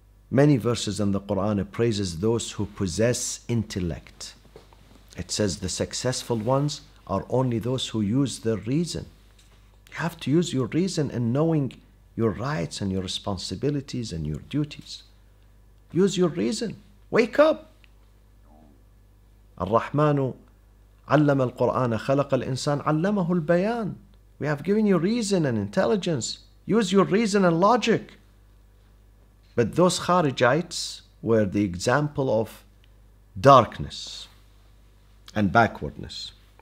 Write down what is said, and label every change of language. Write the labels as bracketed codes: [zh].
[en] Many verses in the Quran praises those who possess intellect. It says the successful ones are only those who use their reason. You have to use your reason in knowing your rights and your responsibilities and your duties. Use your reason. Wake up. [ar] الرحمن علم القرآن خلق الإنسان علمه البيان. [en] We have given you reason and intelligence. Use your reason and logic. But those Kharijites were the example of darkness and backwardness.